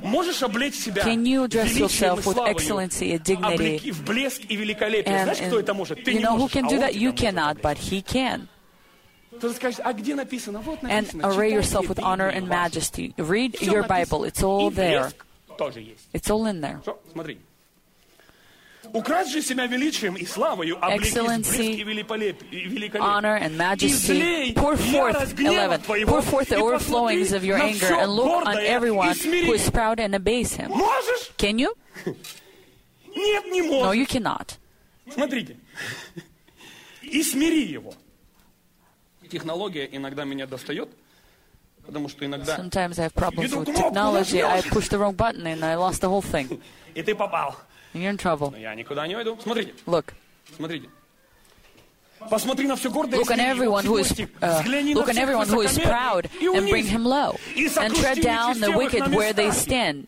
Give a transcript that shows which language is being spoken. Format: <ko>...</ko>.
<en>Can you dress yourself with excellency and dignity? And, you know who can do that? You cannot, but he can. And array yourself with honor and majesty. Read your Bible. It's all there. It's all in there.</en> <ru>Украсть же себя величием и славою, облекись в блеск и великолепие.</ru> <en>Honor and majesty. Pour forth, 11. Pour forth the overflowings of your anger and look on everyone who is proud and abase him.</en> <ru>Можешь?</ru> <en>Can you?</en> <ru>Нет, не можешь.</ru> <en>No, you cannot.</en> <ru>Смотрите. И смири его. Технология иногда меня достает. Потому что иногда...</ru> <en>Sometimes I have problems with technology. I push the wrong button and I lost the whole thing.</en> <ru>И ты попал.</ru> <en>And you're in trouble.</en> <ru>Я никуда не уйду. Смотрите.</ru> <en>Look.</en> <ru>Смотрите. Посмотри на все гордое.</ru> <en>Look on everyone who is look on everyone who is proud and bring him low and tread down the wicked where they stand.</en>